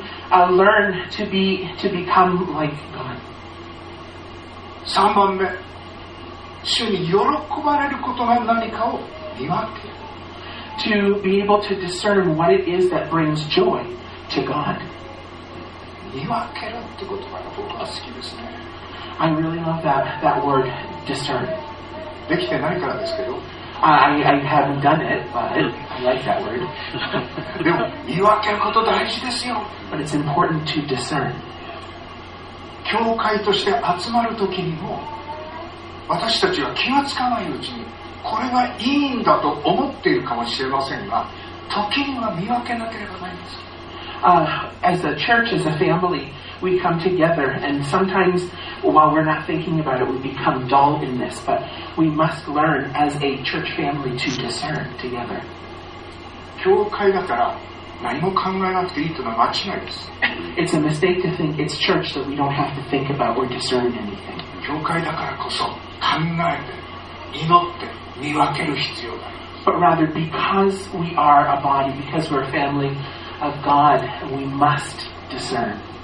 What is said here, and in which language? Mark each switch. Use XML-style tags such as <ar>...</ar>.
<en>Learn to become like God.</en> <ja>3番目、主に喜ばれることが何かを見分ける。</ja> <en>To be able to discern what it is that brings joy to God.</en> <ja>見分けるって言葉が僕は好きですね。</ja> <en>I really love that word, discern.</en> <ja>できてないからですけど。</ja> <en>I haven't done it, but I like that word.</en> <ja>でも見分けること大事ですよ。</ja> <en>But it's important to discern.</en> <ja>教会として集まるときにも、私たちは気がつかないうちに、これがいいんだと思っているかもしれませんが、時には見分けなければなりません。</ja> <en>As a church, as a family, we come together, and sometimes while we're not thinking about it, we become dull in this, but we must learn as a church family to discern together.</en> <ja>教会だから何も考えなくていいというのは間違いです。</ja> <en>It's a mistake to think it's church that we don't have to think about or discern anything.</en> <ja>教会だからこそ考えて、祈って、見分ける必要があります。</ja> <en>But rather, because we are a body, because we're a family,of God, we must discern.</en>